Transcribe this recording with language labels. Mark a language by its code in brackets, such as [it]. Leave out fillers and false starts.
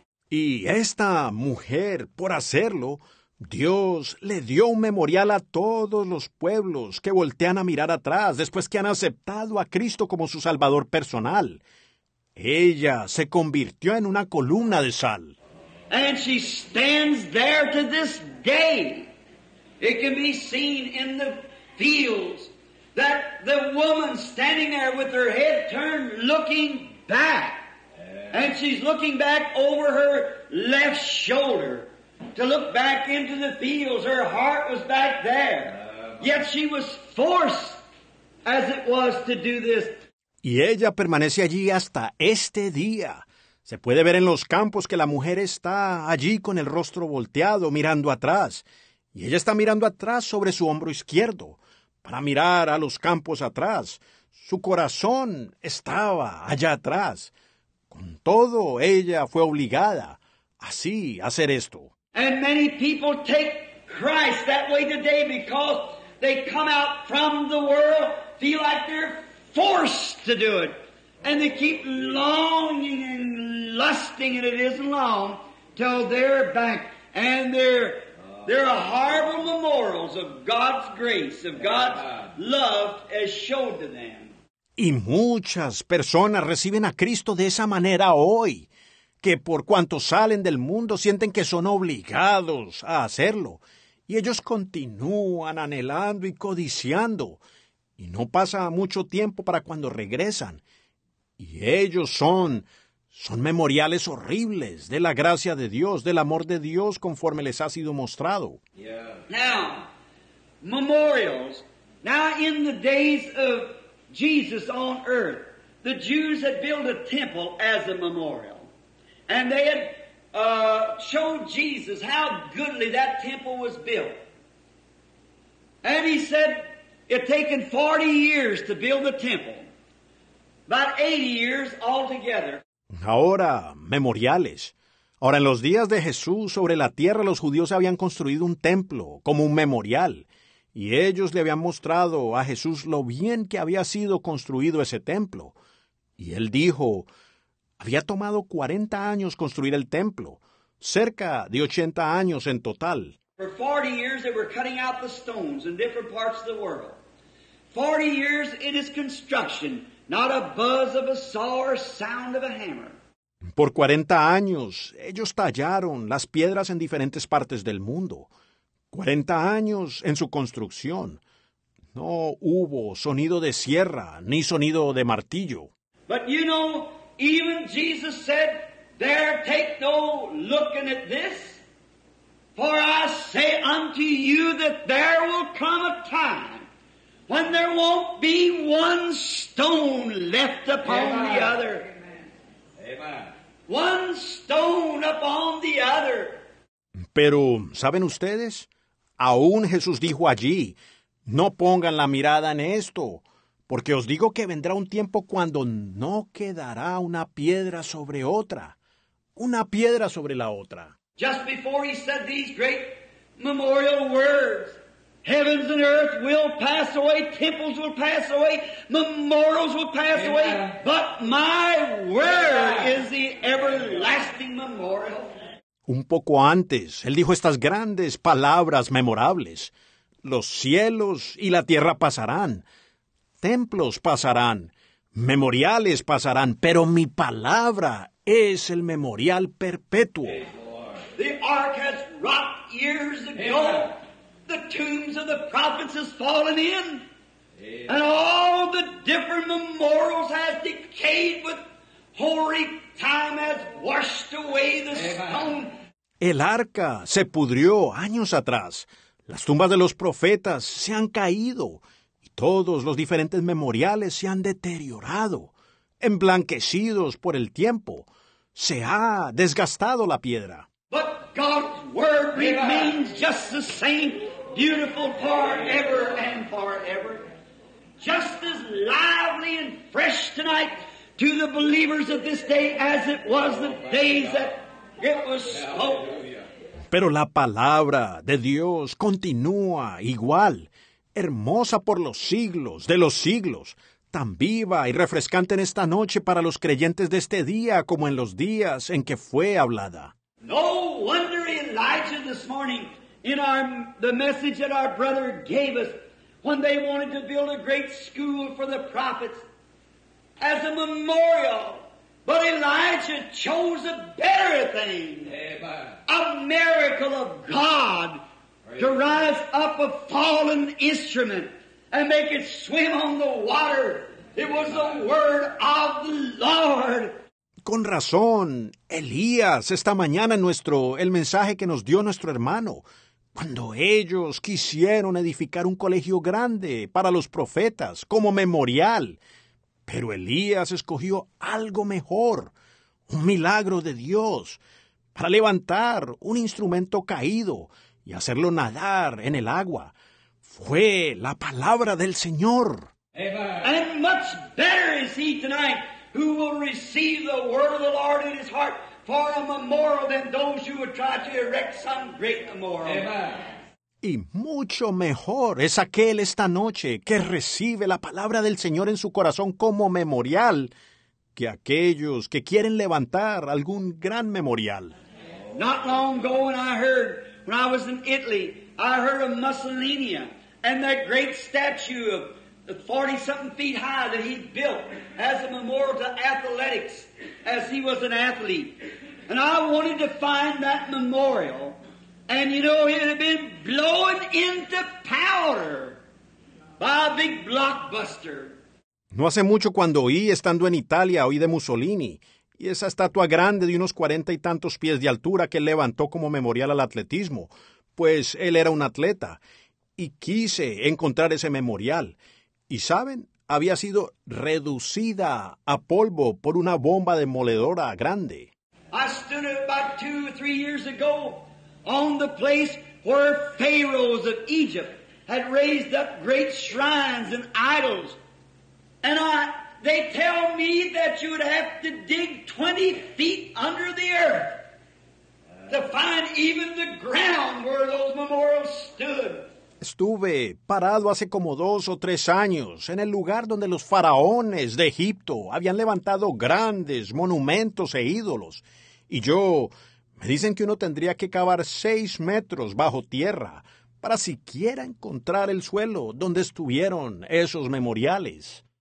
[es] Y esta mujer, por hacerlo, Dios le dio un memorial a todos los pueblos que voltean a mirar atrás después que han aceptado a Cristo como su Salvador personal. Ella se convirtió en una columna de sal. [en] And she stands there to this day. It can be seen in the fields that the woman standing there with her head turned looking back. And she's looking back over her left shoulder to look back into the fields. Her heart was back there. Yet she was forced, as it was, to do this. [es] Y ella permanece allí hasta este día. Se puede ver en los campos que la mujer está allí con el rostro volteado, mirando atrás. Y ella está mirando atrás sobre su hombro izquierdo, para mirar a los campos atrás. Su corazón estaba allá atrás. Con todo, ella fue obligada así a hacer esto. [en] And many people take Christ that way today because they come out from the world, feel like they're forced to do it. And they keep longing and lusting, and it isn't long till they're back. And there are horrible memorials of God's grace, of God's love as shown to them. [es] Y muchas personas reciben a Cristo de esa manera hoy, que por cuanto salen del mundo sienten que son obligados a hacerlo. Y ellos continúan anhelando y codiciando. Y no pasa mucho tiempo para cuando regresan. Y ellos son memoriales horribles de la gracia de Dios, del amor de Dios conforme les ha sido mostrado. [en] Yeah. Now, memorials. Now in the days of Jesus on earth, the Jews had built a temple as a memorial. And they had shown Jesus how goodly that temple was built. And he said, it had taken 40 years to build the temple. About 80 years altogether. [es] Ahora, memoriales. Ahora, en los días de Jesús sobre la tierra, los judíos habían construido un templo como un memorial. Y ellos le habían mostrado a Jesús lo bien que había sido construido ese templo. Y él dijo, había tomado 40 años construir el templo, cerca de 80 años en total. [en] For 40 years they were cutting out the stones in different parts of the world. 40 years in its construction, not a buzz of a saw or sound of a hammer. [es] Por 40 años ellos tallaron las piedras en diferentes partes del mundo. 40 años en su construcción. No hubo sonido de sierra ni sonido de martillo. [en] But you know, even Jesus said, there take no looking at this. For I say unto you that there will come a time when there won't be one stone left upon Amen. The other. Amen. One stone upon the other. [es] Pero, ¿saben ustedes? Aún Jesús dijo allí, no pongan la mirada en esto, porque os digo que vendrá un tiempo cuando no quedará una piedra sobre otra, una piedra sobre la otra. [en] Just before he said these great memorial words, heavens and earth will pass away, temples will pass away, memorials will pass away, but my word is the everlasting memorial. [es] Un poco antes, él dijo estas grandes palabras memorables. Los cielos y la tierra pasarán. Templos pasarán. Memoriales pasarán. Pero mi palabra es el memorial perpetuo. [en] The ark has rocked years ago. The tombs of the prophets has fallen in. And all the different memorials have decayed with glory, time has washed away the stone. [es] El arca se pudrió años atrás. Las tumbas de los profetas se han caído. Y todos los diferentes memoriales se han deteriorado, emblanquecidos por el tiempo. Se ha desgastado la piedra. [en] But God's word remains just the same, beautiful forever and forever. Just as lively and fresh tonight to the believers of this day as it was the days that it was spoken. [es] Pero la palabra de Dios continúa igual, hermosa por los siglos de los siglos, tan viva y refrescante en esta noche para los creyentes de este día como en los días en que fue hablada. [en] No wonder Elijah this morning in the message that our brother gave us when they wanted to build a great school for the prophets as a memorial. But Elijah chose a better thing. A miracle of God to rise up a fallen instrument and make it swim on the water. It was the word of the Lord. [es] Con razón, Elías, esta mañana el mensaje que nos dio nuestro hermano, cuando ellos quisieron edificar un colegio grande para los profetas como memorial, pero Elías escogió algo mejor, un milagro de Dios, para levantar un instrumento caído y hacerlo nadar en el agua. Fue la palabra del Señor. [en] And much better is he tonight who will receive the word of the Lord in his heart for a memorial than those who would try to erect some great memorial. Amen. [es] Y mucho mejor es aquel esta noche que recibe la palabra del Señor en su corazón como memorial que aquellos que quieren levantar algún gran memorial. [en] Not long ago when I was in Italy, I heard of Mussolini and that great statue of 40-something feet high that he built as a memorial to athletics as he was an athlete. And I wanted to find that memorial. And you know, it had been blown into powder by a big blockbuster. [es] No hace mucho cuando estando en Italia, oí de Mussolini, y esa estatua grande de unos 40 y tantos pies de altura que levantó como memorial al atletismo, pues él era un atleta, y quise encontrar ese memorial. Y saben, había sido reducida a polvo por una bomba demoledora grande. [en] I stood it about 2 or 3 years ago. On the place where pharaohs of Egypt had raised up great shrines and idols. And they tell me that you would have to dig 20 feet under the earth to find even the ground where those memorials stood. [es] Estuve parado hace como 2 o 3 años en el lugar donde los faraones de Egipto habían levantado grandes monumentos e ídolos. Y yo... Me dicen que uno tendría que cavar 6 metros bajo tierra para siquiera encontrar el suelo donde estuvieron esos memoriales.